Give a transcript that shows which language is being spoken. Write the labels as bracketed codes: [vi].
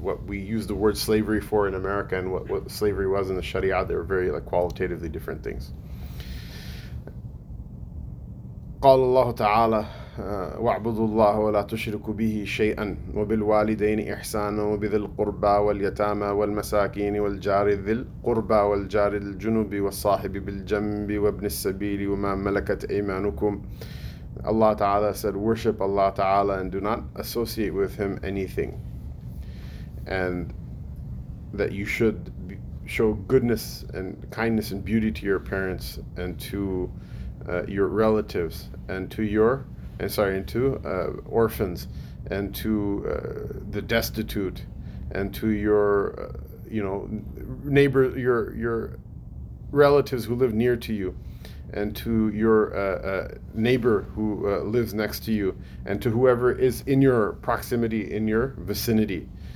[en] What we use the word slavery for in America and what slavery was in the Sharia, they were very, like, qualitatively different things. [ar] قال الله تعالى واعبدوا الله ولا تشركوا به شيئا وبالوالدين إحسانا وبذي القربى واليتامى والمساكين والجار ذي القربى والجار الجنب والصاحب بالجنب وابن السبيل وما ملكت أيمانكم. [en] Allah Ta'ala said, worship Allah Ta'ala and do not associate with Him anything. And that you should show goodness and kindness and beauty to your parents and to your relatives and to orphans and to the destitute and to neighbor, your relatives who live near to you, and to your neighbor who lives next to you, and to whoever is in your proximity, in your vicinity.